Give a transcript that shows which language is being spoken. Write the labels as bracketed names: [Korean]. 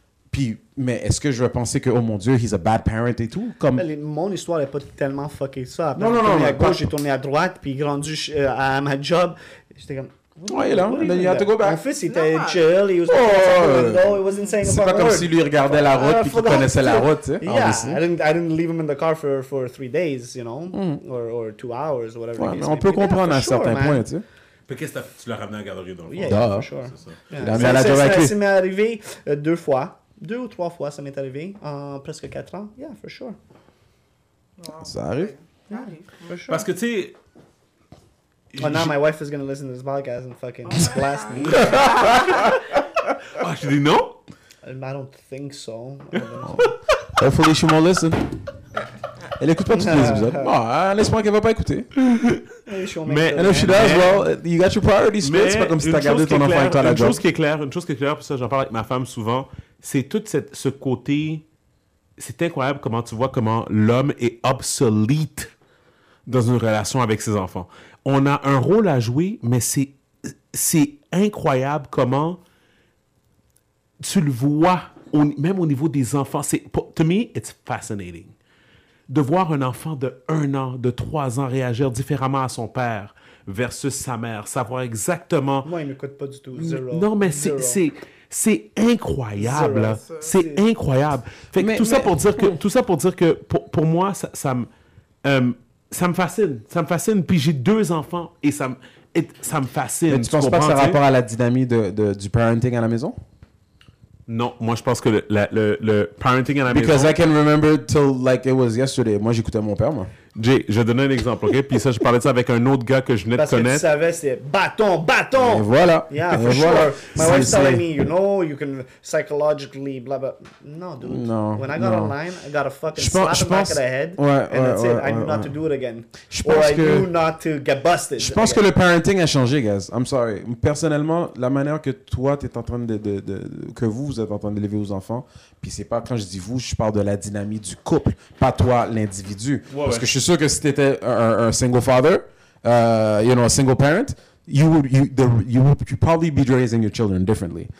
[French] Puis, mais est-ce que je vais penser que, oh mon Dieu, [English] he's a bad parent [French] et tout? Comme... Mon histoire n'est pas tellement fuckée que ça. Après, non, non, à gauche, j'ai tourné à droite, puis rendu à ma job. J'étais comme... Ouais, il est là. [English] Then you have to go back. [French] Mon fils, il était chill. [English] He was saying [French] c'est pas comme si lui regardait la route et qu'il connaissait la route. [English] I didn't leave him in the car for 3 days, you know, or 2 hours, whatever. [French] Ouais, on peut comprendre à certains points, tu sais. Puis qu'est-ce que tu l'as ramené à la garderie dans le fond? Yeah, [English] for sure. [French] Ça m'est arrivé deux fois. Deux ou trois fois, ça m'est arrivé en presque 4 ans. [English] Yeah, for sure. [French] Ça arrive. Parce que tu sais. [English] Well, now my wife is going to listen to this podcast and fucking blast me. Oh, she didn't know? I don't think so. Hopefully she won't listen. [French] Elle écoute pas tous les épisodes. Bon, laisse-moi qu'elle va pas écouter. Mais, [English] and if she does, well, you got your priorities straight. [French] C'est pas comme si t'as gardé ton enfant avec toi à la job. Une chose qui est claire, puis ça, j'en parle avec ma femme souvent, c'est tout ce côté... C'est incroyable comment tu vois comment l'homme est obsolete dans une relation avec ses enfants. On a un rôle à jouer, mais c'est incroyable comment tu le vois, même au niveau des enfants. [English] To me, it's fascinating. [French] De voir un enfant de 1 an, de 3 ans, réagir différemment à son père versus sa mère, savoir exactement... Moi, il ne m'écoute pas du tout. Zero. Non, mais c'est incroyable. C'est incroyable. Tout ça pour dire que pour moi, ça me fascine. Puis j'ai 2 enfants et ça me fascine. Mais tu penses pas que ça a rapport à la dynamique du parenting à la maison? Non, moi je pense que le parenting à la maison... [English] Because I can remember till like it was yesterday. [French] Moi j'écoutais mon père, moi. Jay, je vais donner un exemple, OK? Puis ça, je parlais de ça avec un autre gars que je venais de connaître. Parce que tu savais, c'est bâton! Et voilà. [English] Yeah, [French] et for voilà. Sure. [English] My wife's telling me, you know, you can psychologically, blah, blah. No, dude. [French] Non, [English] when I got online, I got a fucking slap in the back of the head. Ouais, and that's it. I knew not to do it again. I knew not to get busted again. [French] Que le parenting a changé, [English] guys. I'm sorry. [French] Personnellement, la manière que toi, t'es en train de que vous êtes en train d'élever vos enfants, puis c'est pas, quand je dis vous, je parle de la dynamique du couple, pas toi, l'individu. Ouais, parce que je suis sûr que si t'étais un [English] single father, you know, a single parent, you would probably be raising your children differently.